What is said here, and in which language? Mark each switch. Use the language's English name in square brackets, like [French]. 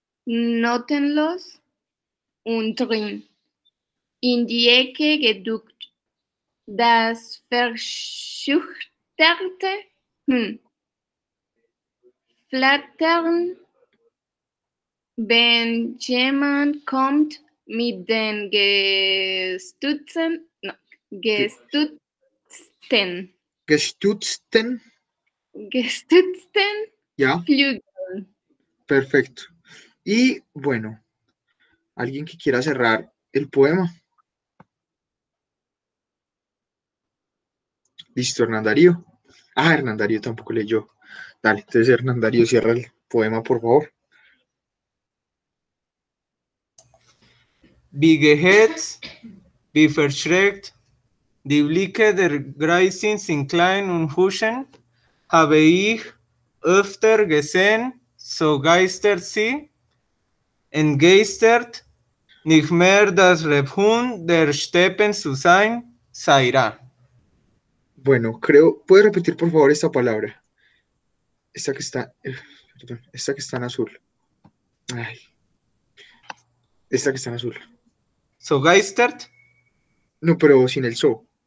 [German] Notenlos und drin, in die Ecke geduckt, das verschüchterte Flattern, wenn jemand kommt mit den gestutzten ja. Flügeln. [Spanish] Perfecto. Y bueno, ¿alguien que quiera cerrar el poema? Listo, Hernán Darío. Ah, Hernán Darío tampoco leyó. Dale, entonces Hernán Darío cierra el poema, por favor. [German] Wie gehetzt, wie verschreckt, die Blicke der Greisin sind klein und huschen, habe ich öfter gesehen, so geistert sie. Entgeistert, nicht mehr das Rebhund der Steppen zu sein, Zaira. [Spanish] Bueno, creo, ¿puedes repetir por favor esta palabra? Esta que está, perdón, esta que está en azul. Ay. Esta que está en azul. [German] ¿So geistert? [Spanish] No, pero sin el so.